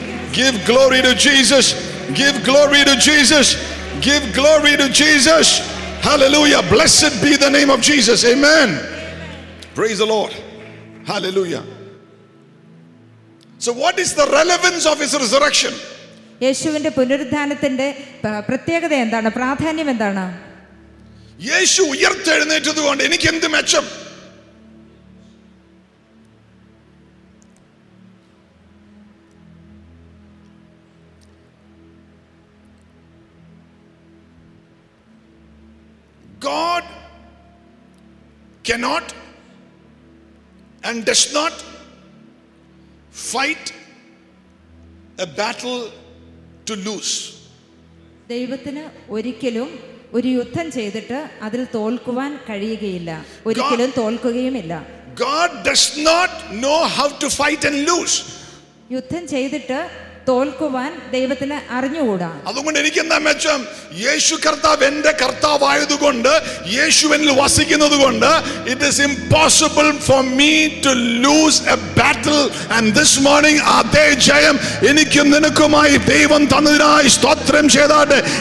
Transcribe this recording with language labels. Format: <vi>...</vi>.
<en>Give glory to Jesus. Give glory to Jesus. Give glory to Jesus. Hallelujah. Blessed be the name of Jesus. Amen. Amen. Praise the Lord. Hallelujah. So what is the relevance of his resurrection?</en> <ml>യേശുവിന്റെ പുനരുത്ഥാനത്തിന്റെ പ്രത്യേകത എന്താണ്? പ്രാധാന്യം എന്താണ്? യേശു ഉയർത്തെഴുന്നേറ്റതുകൊണ്ട് എനിക്ക് എന്ത് മെച്ചം?</ml> <en>God cannot and does not fight a battle to lose.</en> <ml>ദൈവത്തിന് ഒരിക്കലും ഒരു യുദ്ധം ചെയ്തിട്ട് അതിൽ തോൽക്കുവാൻ കഴിയുകയില്ല. ഒരിക്കലും തോൽക്കുകയുമില്ല.</ml> <en>God does not know how to fight and lose.</en> <ml>യുദ്ധം ചെയ്തിട്ട് തോൽക്കുവാൻ ദൈവത്തിന് അറിഞ്ഞുകൂടാ. അതുകൊണ്ട് എനിക്ക് എന്താ മെച്ചം? യേശു കർത്താവ് എന്റെ കർത്താവായതുകൊണ്ട്, യേശുവിനിൽ വസിക്കുന്നത് കൊണ്ട്,</ml> <en>It is impossible for me to lose a battle. And this morning</en> <ml>അതേ ജയം എനിക്കും നിനക്കുമായി ദൈവം തന്നതിനായി സ്തോത്രം ചെയ്താട്ടെ.</ml>